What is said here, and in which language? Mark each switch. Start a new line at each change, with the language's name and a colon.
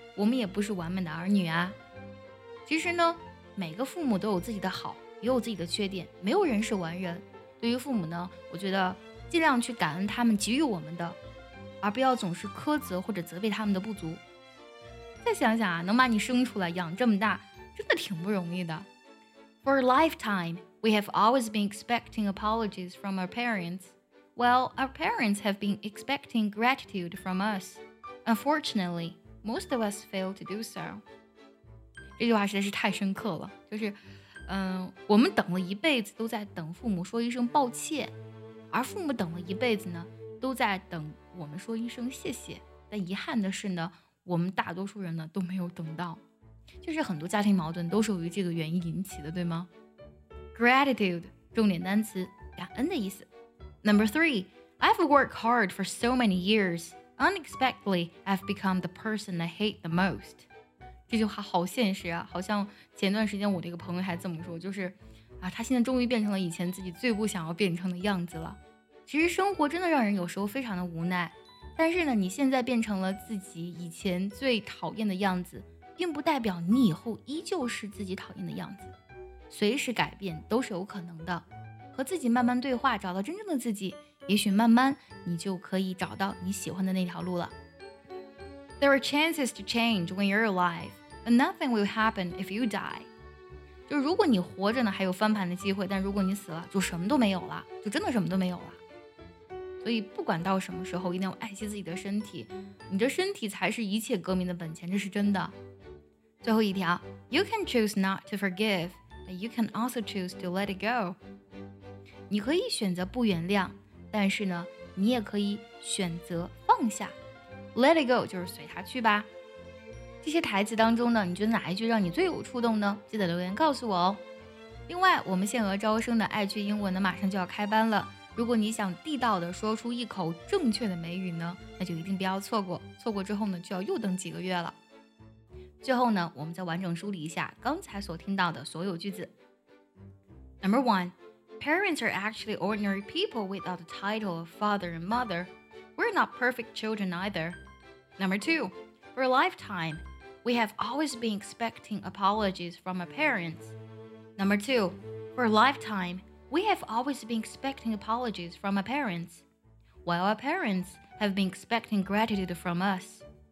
Chinese: 我们也不是完美的儿女啊。其实呢，每个父母都有自己的好，也有自己的缺点。没有人是完人。对于父母呢，我觉得尽量去感恩他们给予我们的，而不要总是苛责或者责备他们的不足。再想想啊，能把你生出来养这么大真的挺不容易的。
English: For a lifetime, we have always been expecting apologies from our parents. Well, our parents have been expecting gratitude from us. Unfortunately, most of us fail to do so.
Chinese: 这句话实在是太深刻了，就是我们等了一辈子都在等父母说一声抱歉，而父母等了一辈子呢都在等我们说一声谢谢。但遗憾的是呢，我们大多数人呢都没有等到。就是很多家庭矛盾都是由于这个原因引起的，对吗？
English: Gratitude，
Chinese: 重点单词，感恩的意思。
English: Number three, I've worked hard for so many years. Unexpectedly, I've become the person I hate the most.
Chinese: 这句话好现实啊，好像前段时间我的一个朋友还这么说，就是啊，他现在终于变成了以前自己最不想要变成的样子了。其实生活真的让人有时候非常的无奈，但是呢，你现在变成了自己以前最讨厌的样子，并不代表你以后依旧是自己讨厌的样子，随时改变都是有可能的。和自己慢慢对话，找到真正的自己，也许慢慢你就可以找到你喜欢的那条路了。
English: There are chances to change when you're alive, but nothing will happen if you die.
Chinese: 就是如果你活着呢，还有翻盘的机会，但如果你死了，就什么都没有了，就真的什么都没有了。所以不管到什么时候，一定要爱惜自己的身体，你的身体才是一切革命的本钱，这是真的。最后一条，
English: You can choose not to forgive, but you can also choose to let it go.
Chinese: 你可以选择不原谅，但是呢，你也可以选择放下。
English: Let it go
Chinese: 就是随他去吧。这些台词当中呢，你觉得哪一句让你最有触动呢？记得留言告诉我哦。另外，我们限额招生的爱趣英文呢马上就要开班了，如果你想地道的说出一口正确的美语呢，那就一定不要错过，错过之后呢就要又等几个月了。最后呢，我们再完整梳理一下刚才所听到的所有句子。
English: Number one, Parents are actually ordinary people without the title of father and motherWe're not perfect children either. Number two, for a lifetime, we have always been expecting apologies from our parents. Number two, for a lifetime, we have always been expecting apologies from our parents, while our parents have been expecting gratitude from us.